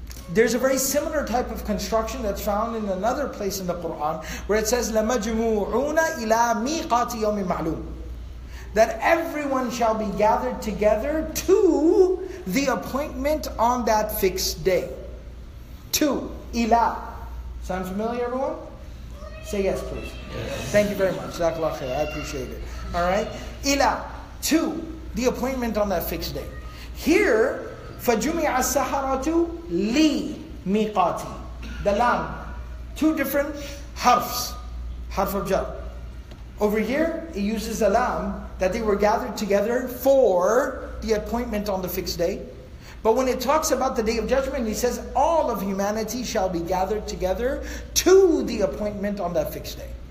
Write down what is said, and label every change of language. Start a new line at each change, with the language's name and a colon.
English: There's a very similar type of construction that's found in another place in the Quran where it says,
Arabic: لَمَجْمُعُونَ إِلَىٰ مِيقَاتِ يَوْمِ مَعْلُومِ,
English: that everyone shall be gathered together to the appointment on that fixed day. To, ila. Sound familiar, everyone? Say yes, please. Yes. Thank you very much. Jazakallah khair. I appreciate it. Alright? Ila. To, the appointment on that fixed day. Here,
Arabic: فَجُمِعَ السَّحَرَةُ لِي مِيقَاتِ.
English: The lam. Two different harfs. Harf of jar. Over here, it uses a lam, that they were gathered together for the appointment on the fixed day. But when it talks about the Day of Judgment, he says, all of humanity shall be gathered together to the appointment on that fixed day.